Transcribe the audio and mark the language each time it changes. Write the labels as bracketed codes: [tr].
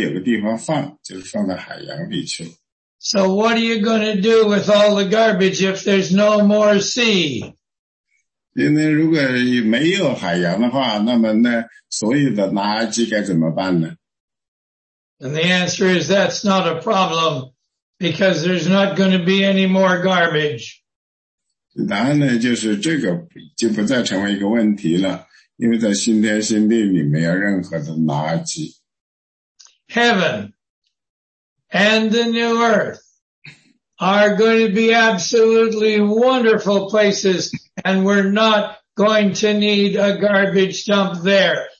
[zh] 然后又我们又得到了新鲜的水，新鲜那个，所以我们世界所产生垃圾呢，它总得有个地方放，就是放在海洋里去。 [en] So what are you going to do with all the garbage if there's no more sea? [zh] 因为如果没有海洋的话，那么呢，所有的垃圾该怎么办呢？ [en] And the answer is that's not a problem because there's not going to be any more garbage. [zh] 答案呢，就是这个就不再成为一个问题了，因为在新天新地里没有任何的垃圾。 [en] Heaven and the new earth are going to be absolutely wonderful places, and we're not going to need a garbage dump there.